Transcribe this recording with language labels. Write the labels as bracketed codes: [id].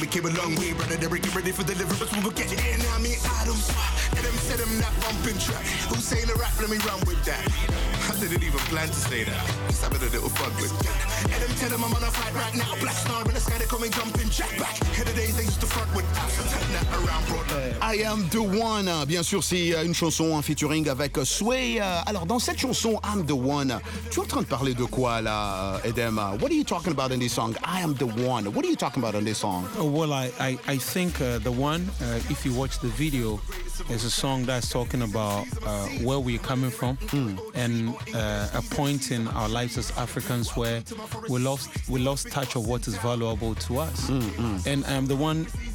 [en] We came a long way, running there, getting ready for deliverance. We were getting here now, me Adams. And them said I'm not bumping track. Who's saying the rap? Let me run with that. I didn't even plan to say that. Just having a little fun with that. And them tell them I'm on a fight right now. Black star in the sky, they come and jumping jack back. In the days they used to front with that. Turn that around, bro. I am the one. [fr] Bien sûr, c'est une chanson en featuring avec Sway. Alors, dans cette chanson, I'm the one, tu es en train de parler de quoi, là, Edem? [en] What are you talking about in this song? I am the one. What are you talking about in this song? Well, I think the one, if you watch the video, is a song that's talking about where we're coming from and a point in our lives as Africans where we lost touch of what is valuable to us. And I'm the one...